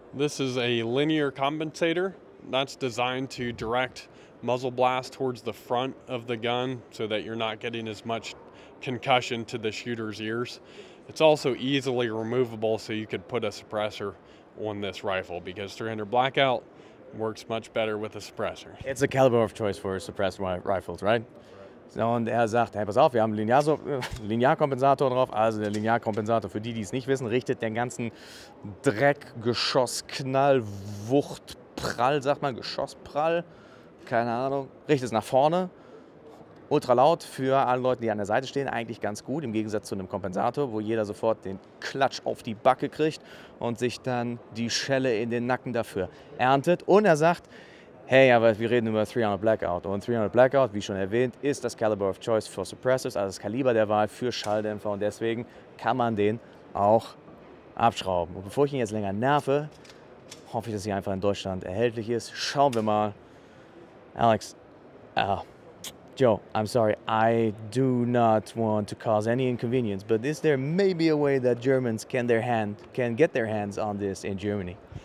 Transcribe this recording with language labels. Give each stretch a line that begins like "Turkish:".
English: This is a linear compensator that's designed to direct muzzle blast towards the front of the gun so that you're not getting as much concussion to the shooter's ears. It's also easily removable, so you could put a suppressor on this rifle because 300 Blackout works much better with a suppressor. It's a caliber of choice for suppressed rifles, right?
German: Und er sagt, hey, pass auf, wir haben einen Linearkompensator drauf. Also der Linearkompensator, für die, die es nicht wissen, richtet den ganzen Dreck, Geschoss, Knall, Wucht, Prall, sagt man, Geschossprall, keine Ahnung, richtet es nach vorne. Ultralaut für alle Leute, die an der Seite stehen, eigentlich ganz gut, im Gegensatz zu einem Kompensator, wo jeder sofort den Klatsch auf die Backe kriegt und sich dann die Schelle in den Nacken dafür erntet. Und er sagt, hey, aber wir reden über 300 Blackout. Und 300 Blackout, wie schon erwähnt, ist das
English: Caliber of Choice for Suppressors,
German: also das Kaliber der Wahl für Schalldämpfer. Und deswegen kann man den auch abschrauben. Und bevor ich ihn jetzt länger nerve, hoffe ich, dass sie einfach in Deutschland erhältlich ist. Schauen wir mal.
English: Alex, Joe, I'm sorry, I do not want to cause any inconvenience, but is there maybe a way that Germans can get their hands on this in Germany?